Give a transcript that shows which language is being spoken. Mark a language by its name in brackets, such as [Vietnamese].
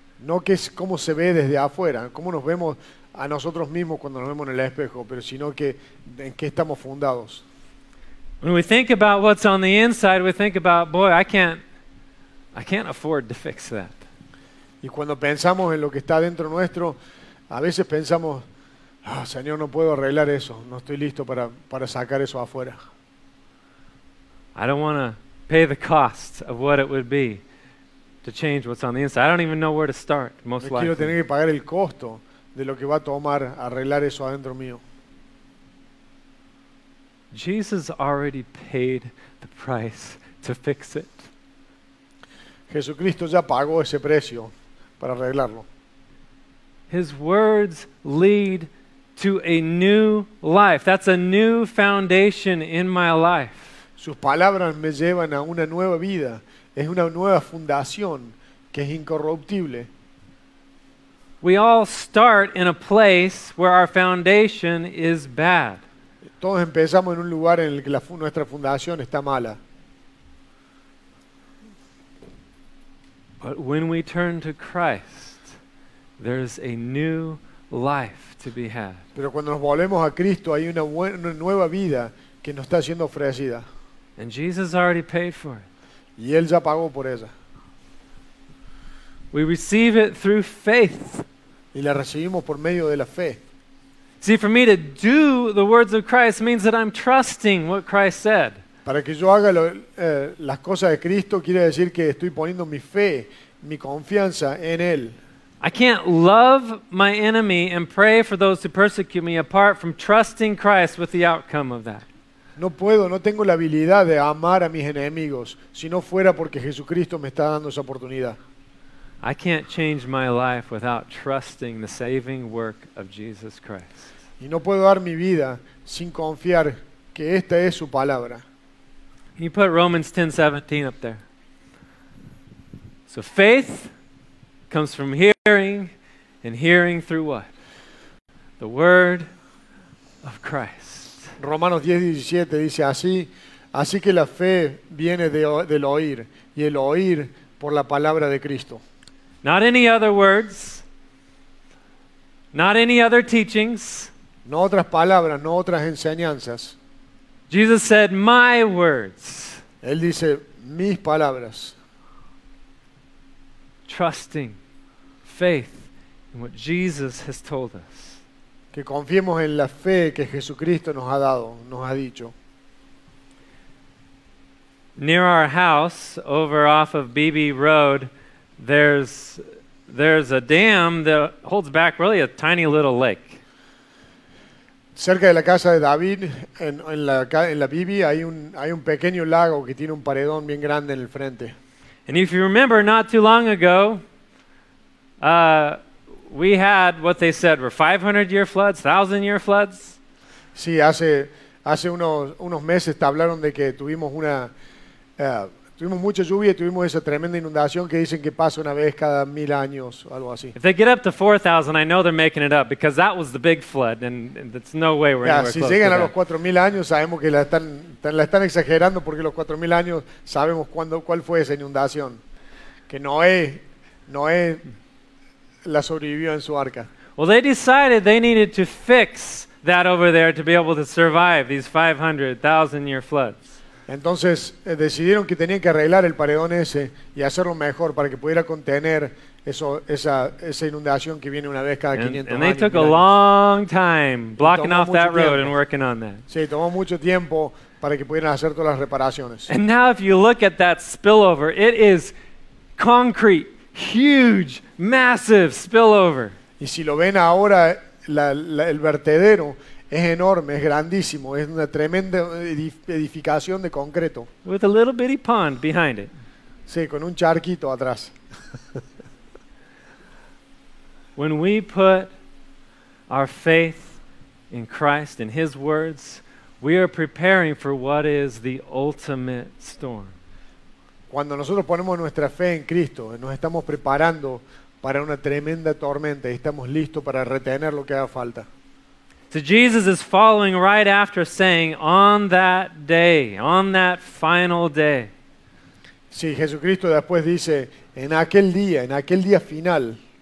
[Spanish] No que es cómo se ve desde afuera, cómo nos vemos a nosotros mismos cuando nos vemos en el espejo, pero sino que en qué estamos fundados. [English] When we think about what's on the inside, we think about, boy, I can't afford to fix that. [Spanish] Y cuando pensamos en lo que está dentro nuestro, a veces pensamos, oh, Señor, no puedo arreglar eso. No estoy listo para sacar eso afuera. [English] I don't want to pay the cost of what it would be to change what's on the inside. I don't even know where to start, most likely. [Spanish] No quiero tener que pagar el costo de lo que va a tomar arreglar eso adentro mío. [English] Jesus already paid the price to fix it. [Spanish] Jesucristo ya pagó ese precio para arreglarlo. [English] His words lead to a new life. That's a new foundation in my life. [Spanish] Sus palabras me llevan a una nueva vida. Es una nueva fundación que es incorruptible. [English] We all start in a place where our foundation is bad. [Spanish] Todos empezamos en un lugar en el que nuestra fundación está mala. [English] But when we turn to Christ, there is a new life to be had. [Spanish] Pero cuando nos volvemos a Cristo hay una nueva vida que nos está siendo ofrecida. [English] And Jesus already paid for it. [Spanish] Y él ya pagó por ella. [English] We receive it through faith. [Spanish] Y la recibimos por medio de la fe. [English] See, for me to do the words of Christ means that I'm trusting what Christ said. [Spanish] Para que yo haga las cosas de Cristo quiere decir que estoy poniendo mi fe, mi confianza en él. [English] I can't love my enemy and pray for those who persecute me apart from trusting Christ with the outcome of that. [Spanish] No puedo, no tengo la habilidad de amar a mis enemigos si no fuera porque Jesucristo me está dando esa oportunidad. [English] I can't change my life without trusting the saving work of Jesus Christ. [Spanish] Y no puedo dar mi vida sin confiar que esta es su palabra. [English] Can you put Romans 10:17 up there? So faith comes from hearing, and hearing through what? The word of Christ. [Spanish] Romanos 10:17 dice así, así que la fe viene del oír, y el oír por la palabra de Cristo. [English] Not any other words, not any other teachings. [Spanish] No otras palabras, no otras enseñanzas. [English] Jesus said, my words. [Spanish] Él dice, mis palabras. [English] Trusting, faith in what Jesus has told us. [Spanish] Que confiemos en la fe que Jesucristo nos ha dado, nos ha dicho. [English] Near our house, over off of BB Road, there's a dam that holds back really a tiny little lake. [Spanish] Cerca de la casa de David, en la BB, hay un pequeño lago que tiene un paredón bien grande en el frente. [English] And if you remember, not too long ago, we had what they said were 500-year floods, 1,000-year floods. [Spanish] Sí, hace unos meses te hablaron de que tuvimos una tuvimos mucha lluvia y tuvimos esa tremenda inundación que dicen que pasa una vez cada 1,000 años o algo así. [English] If they get up to 4,000, I know they're making it up because that was the big flood, and there's no way we're anywhere close to that. [Spanish] Si llegan a los 4,000 años, sabemos que la están exagerando, porque los 4,000 años sabemos cuál fue esa inundación. Que Noé la sobrevivió en su arca. [English] Well, they decided they needed to fix that over there to be able to survive these 500,000-year floods. [Spanish] Entonces decidieron que tenían que arreglar el paredón ese y hacerlo mejor para que pudiera contener esa inundación que viene una vez cada 500 años. [English] And they took a long time blocking off that road and working on that. [Spanish] Sí, tomó mucho tiempo para que pudieran hacer todas las reparaciones. [English] And now if you look at that spillover, it is concrete, huge, massive spillover. [Spanish] Y si lo ven ahora, el vertedero es enorme, es grandísimo, es una tremenda edificación de concreto. [English] With a little bitty pond behind it. [Spanish] Sí, con un charquito atrás. [English] When we put our faith in Christ and His words, we are preparing for what is the ultimate storm. [Spanish] Cuando nosotros ponemos nuestra fe en Cristo, nos estamos preparando para una tremenda tormenta y estamos listos para retener lo que haga falta. [English] So Jesus is following right after saying, on that day, on that final day. [Spanish] Sí, Jesucristo después dice, en aquel día final.